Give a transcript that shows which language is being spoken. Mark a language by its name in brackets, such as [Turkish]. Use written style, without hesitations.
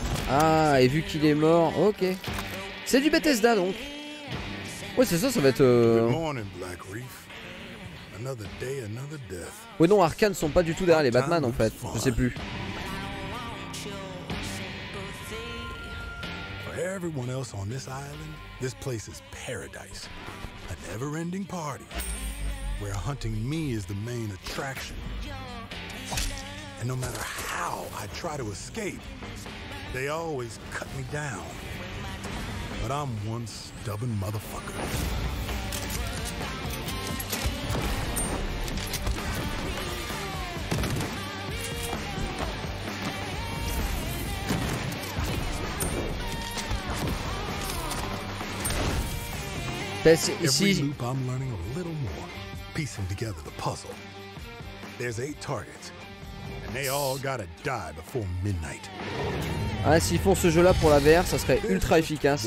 [French] Ah, et vu qu'il est mort, ok. C'est du Bethesda donc. Ouais, c'est ça, ça va être. [English] Another day, another death. [French] Ouais non, Arkane sont pas du tout derrière les Batman en fait, je sais plus. [English] For everyone else on this island, this place is paradise. A never-ending party. Where hunting me is the main attraction. And no matter how I try to escape, they always cut me down. But I'm one stubborn motherfucker. Every loop, I'm learning a little more, piecing together the puzzle. There's 8 targets, and they all gotta die before midnight. [French] Ah, s'ils font ce jeu-là pour la VR, ça serait ultra efficace.